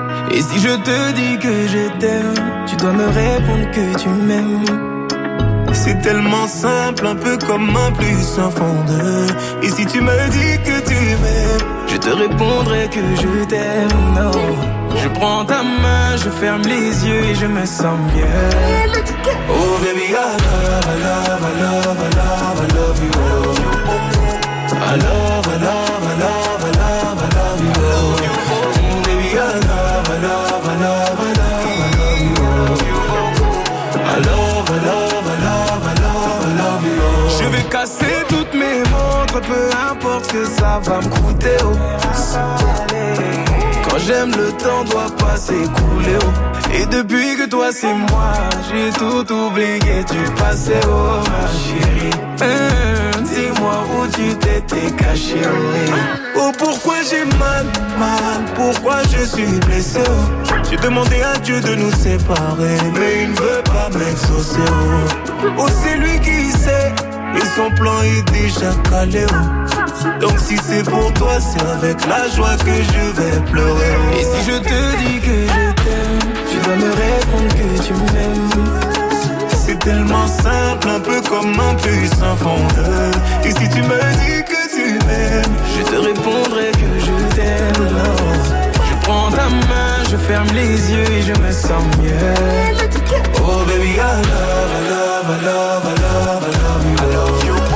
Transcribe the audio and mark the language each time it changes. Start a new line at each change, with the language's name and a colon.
French: Et si je te dis que je t'aime, tu dois me répondre que tu m'aimes. C'est tellement simple, un peu comme un plus un fond deux. Et si tu me dis que tu m'aimes, je te répondrai que je t'aime. Non, je prends ta main, je ferme les yeux et je me sens bien.
English: Oh baby, I love, I love, I love, I love, I love you. Oh. I love, I love, I love, I love, I love, I love you. Oh. Baby, I love, I love, I love, I love, I love, I love you. Oh. I love, I love.
French: Casser toutes mes montres, peu importe que ça va me coûter. Quand j'aime, le temps doit pas s'écouler. Et depuis que toi c'est moi, j'ai tout oublié du passé. Oh ma chérie, dis-moi où tu t'étais caché. Oh pourquoi j'ai mal, mal, pourquoi je suis blessé. J'ai demandé à Dieu de nous séparer, mais il ne veut pas m'exaucer. Oh c'est lui qui sait. Et son plan est déjà calé. Donc si c'est pour toi, c'est avec la joie que je vais pleurer. Et si je te dis que je t'aime, tu dois me répondre que tu m'aimes. C'est tellement simple, un peu comme un puissant fondeur. Et si tu me dis que tu m'aimes, je te répondrai que je t'aime. Non. Je prends ta main, je ferme les yeux et je me sens mieux.
English: Oh baby, I love, I love, I love, I love, I love you.